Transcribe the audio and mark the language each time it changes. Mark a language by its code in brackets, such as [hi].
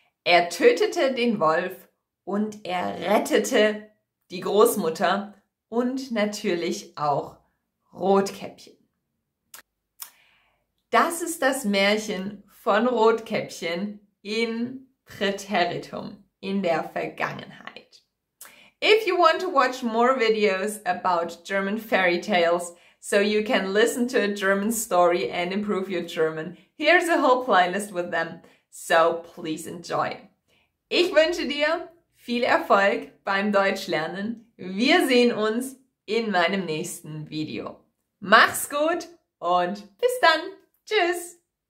[de] Er tötete den Wolf und er rettete die Großmutter und natürlich auch Rotkäppchen. Das ist das Märchen von Rotkäppchen in Präteritum, in der Vergangenheit. [en] If you want to watch more videos about German fairy tales, so you can listen to a German story and improve your German, here's a whole playlist with them, so please enjoy. [de] Ich wünsche dir viel Erfolg beim Deutschlernen. Wir sehen uns in meinem nächsten Video. Mach's gut und bis dann. Tschüss.